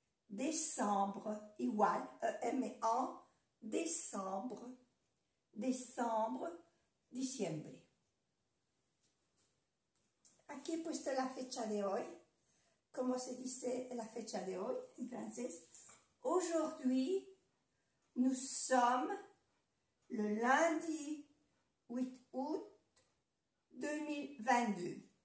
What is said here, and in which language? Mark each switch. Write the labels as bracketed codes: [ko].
[fr] Décembre, igual, E-M-E-N, décembre, décembre, diciembre. [es] Aquí he puesto la fecha de hoy. ¿Cómo se dice la fecha de hoy en francés? [fr] Aujourd'hui, nous sommes le lundi 8 août 2022.